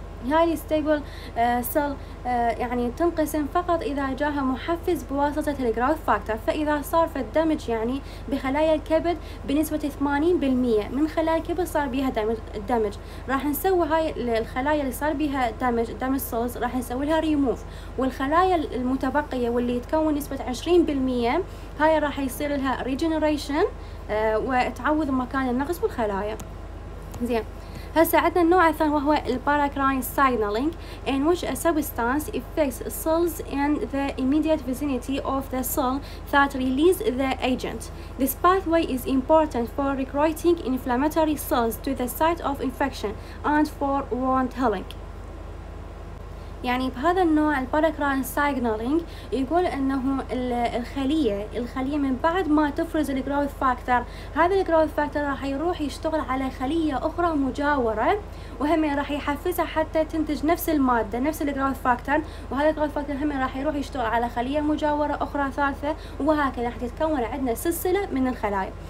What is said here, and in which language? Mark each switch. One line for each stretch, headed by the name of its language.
Arabic: هاي ستيبل سيل يعني تنقسم فقط إذا جاها محفز بواسطة الجروث فاكتور، فإذا صار في الدمج يعني بخلايا الكبد بنسبة 80% من خلايا الكبد صار بيها دمج، راح نسوي هاي الخلايا اللي صار بيها دمج سيلز راح نسوي لها ريموف، والخلايا المتبقية واللي تكون نسبة 20% هاي راح يصير لها ريجنريشن وتعوض مكان النقص بالخلايا. زين هسا عندنا النوع الثاني وهو الباراكراين سايجنالينج،
English: in which a substance affects cells in the immediate vicinity of the cell that release the agent. This pathway is important for recruiting inflammatory cells to the site of infection and for wound healing.
Arabic: يعني بهذا النوع الباراكراين سايجنالينج يقول انه الخلية من بعد ما تفرز الجروث فاكتور، هذا الجروث فاكتور راح يروح يشتغل على خلية اخرى مجاورة وهم راح يحفزها حتى تنتج نفس المادة نفس الجروث فاكتور، وهذا الجروث فاكتور هم راح يروح يشتغل على خلية مجاورة اخرى ثالثة وهكذا، راح تتكون عندنا سلسلة من الخلايا.